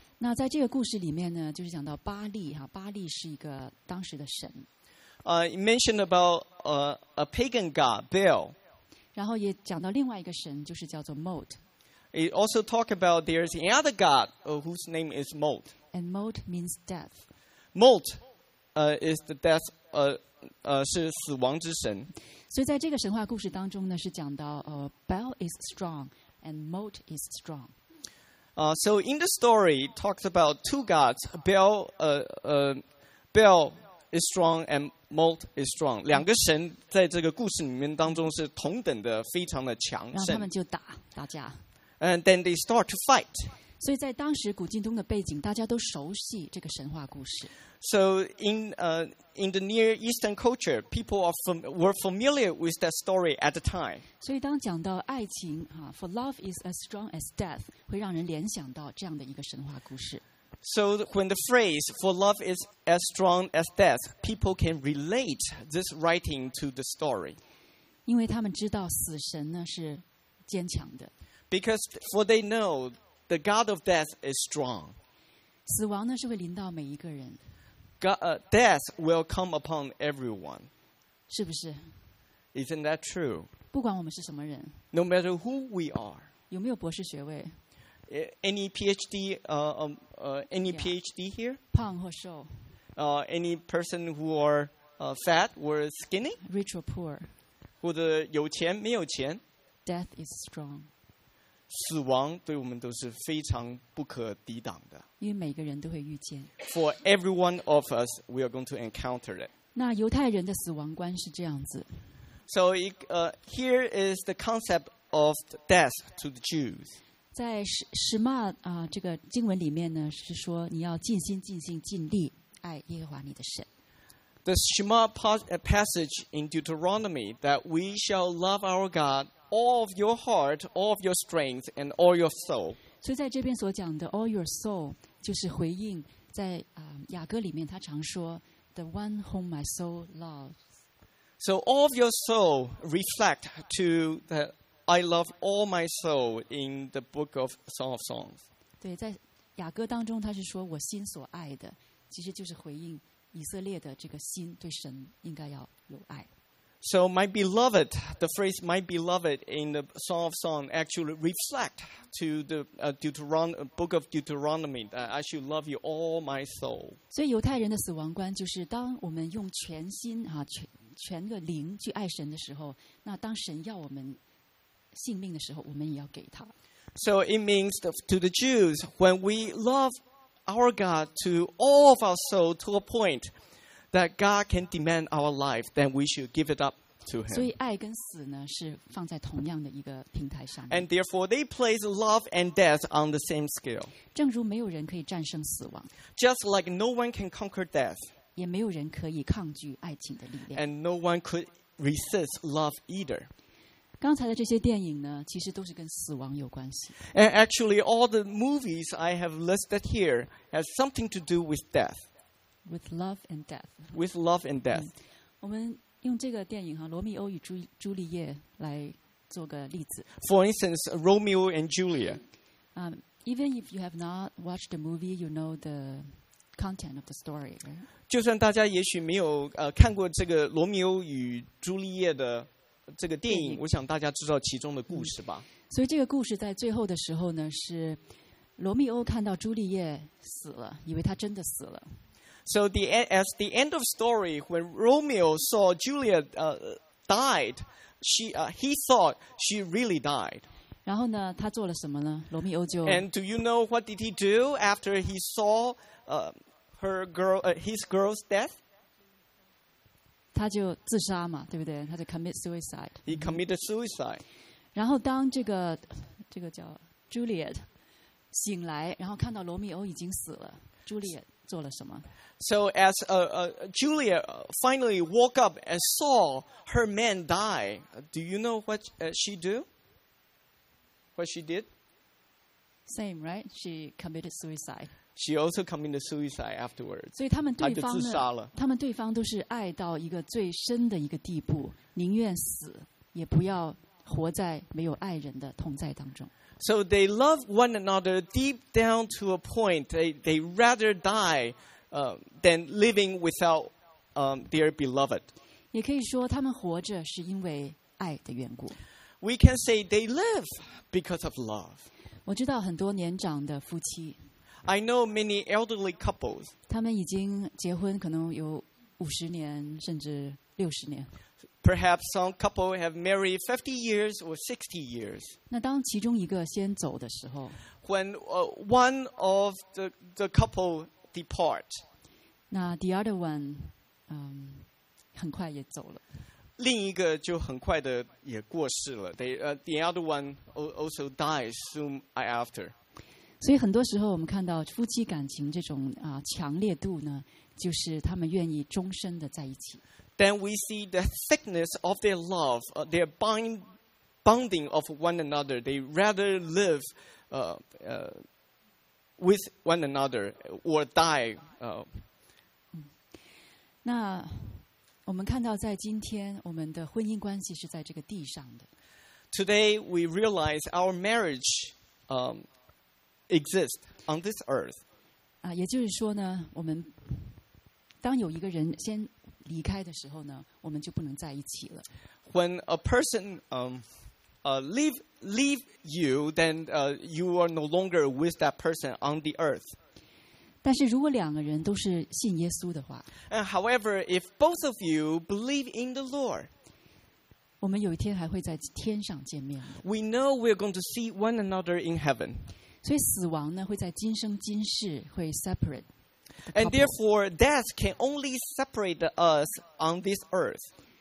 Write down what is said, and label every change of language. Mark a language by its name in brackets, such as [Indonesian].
[Chinese] 那在这个故事里面呢，就是讲到巴利哈，巴利是一个当时的神。 [English] It mentioned about a pagan god, Baal. [Chinese] 然后也讲到另外一个神，就是叫做 Molt. [English] It also talk about there's another god whose name is Molt. And Molt means death. Molt, is the death. [Chinese] 是死亡之神。所以在这个神话故事当中呢，是讲到 [English] Baal is strong and Molt is strong. So in the story talks about two gods, Baal, Baal is strong and Molt is strong. [Chinese] 两个神在这个故事里面当中是同等的，非常的强盛。然后他们就打架。 [English] And then they start to fight. [Chinese] 所以在当时古今东的背景，大家都熟悉这个神话故事。 [English] So in the Near Eastern culture, people were familiar with that story at the time. [Chinese] 所以当讲到爱情 [English] for love is as strong as death, [Chinese] 会让人联想到这样的一个神话故事。 [English] So when the phrase for love is as strong as death, people can relate this writing to the story. [Chinese] 因为他们知道死神呢是坚强的。 [English] Because for they know the God of death is strong. [Chinese] 死亡呢是会临到每一个人。 [English] Death will come upon everyone. [Chinese] 是不是？ [English] Isn't that true? [Chinese] 不管我们是什么人。 [English] No matter who we are. [Chinese] 有没有博士学位？ [English] Any PhD, any PhD here? [Chinese] 胖或瘦。 [English] Any person who are fat or skinny? Rich or poor. [Chinese] 或者有钱没有钱？ [English] Death is strong. [Chinese] 死亡对我们都是非常不可抵挡的。因为每个人都会遇见。 [English] For every one of us, we are going to encounter it. [Chinese] 那犹太人的死亡观是这样子。 [English] So here is the concept of death to the Jews. [Chinese] 在什么这个经文里面呢，是说你要尽心尽性尽力爱耶和华你的神。 [English] The Shema passage in Deuteronomy that we shall love our God all of your heart, all of your strength, and all your soul. [Chinese] 所以在这边所讲的 [English] all your soul [Chinese] 就是回应在雅歌里面他常说 [English] the one whom my soul loves. So all of your soul reflect to the I love all my soul in the book of Song of Songs. [Chinese] 对，在雅歌当中他是说我心所爱的，其实就是回应以色列的这个心对神应该要有爱。 [English] So my beloved, the phrase my beloved in the Song of Songs actually reflect to the book of Deuteronomy that I should love you all my soul. [Chinese] 所以犹太人的死亡观就是当我们用全心啊全个灵去爱神的时候，那当神要我们性命的时候，我们也要给他。 [English] So it means to the Jews when we love our God to all of our soul to a point that God can demand our life, then we should give it up to Him. [Chinese] 所以爱跟死呢是放在同样的一个平台上。 [English] And therefore, they place love and death on the same scale. [Chinese] 正如没有人可以战胜死亡。 [English] Just like no one can conquer death. [Chinese] 也没有人可以抗拒爱情的力量。 [English] And no one could resist love either. [Chinese] 刚才的这些电影呢，其实都是跟死亡有关系。 [English] And actually, all the movies I have listed here has something to do with death. With love and death. With love and death. [Chinese] 我们用这个电影哈，《罗密欧与朱丽叶》来做个例子。 [English] For instance, Romeo and Juliet. Even if you have not watched the movie, you know the content of the story.、Right? [Chinese] 就算大家也许没有看过这个《罗密欧与朱丽叶》的。这个电影我想大家知道其中的故事吧、嗯、所以这个故事在最后的时候呢，是罗密欧看到朱丽叶死了，以为他真的死了。 [English] So as the end of story, when Romeo saw Juliet died, he thought she really died. [Chinese] 然后呢他做了什么呢？罗密欧就 [English] And do you know what did he do after he saw his girl's death? [Chinese] 他就自杀嘛，对不对？他就 [English] commit suicide. He committed suicide. [Chinese] 然后当这个叫 Juliet 醒来，然后看到罗密欧已经死了， Juliet 做了什么？ [English] So as Juliet finally woke up and saw her man die, do you know what she do? What she did? Same, right? She committed suicide. She also committed suicide afterwards. [Chinese] 所以他们对方呢，自杀了。他们对方都是爱到一个最深的一个地步，宁愿死也不要活在没有爱人的同在当中。 [English] So they love one another deep down to a point they rather die, than living without, their beloved. [Chinese] 也可以说他们活着是因为爱的缘故。 [English] We can say they live because of love. [Chinese] 我知道很多年长的夫妻。 [English] I know many elderly couples. [Chinese] 他们已经结婚可能有五十年甚至六十年。 [English] Perhaps some couple have married 50 years or 60 years. [Chinese] 那当其中一个先走的时候。 [English] When one of the couple depart. [Chinese] 那 [English] the other one, [Chinese] 很快也走了。另一个就很快的也过世了。 [English] The other one also died soon after. [Chinese] 所以很多时候我们看到夫妻感情这种强烈度呢，就是他们愿意终身的在一起。 [English] Then we see the thickness of their love, their bonding of one another. They rather live with one another or die. [Chinese] 那我们看到在今天我们的婚姻关系是在这个地上的。 [English] Today we realize our marriage, exist on this earth. [Chinese] 也就是说呢，我们当有一个人先离开的时候呢，我们就不能在一起了。 [English] When a person leave you, then you are no longer with that person on the earth. [Chinese] 但是如果两个人都是信耶稣的话 [English] ，And however, if both of you believe in the Lord, [Chinese] 我们有一天还会在天上见面。 [English] We know we're going to see one another in heaven. [Chinese] 所以死亡呢会在今生今世会 separate。 [English] And therefore, death can only separate us on this earth.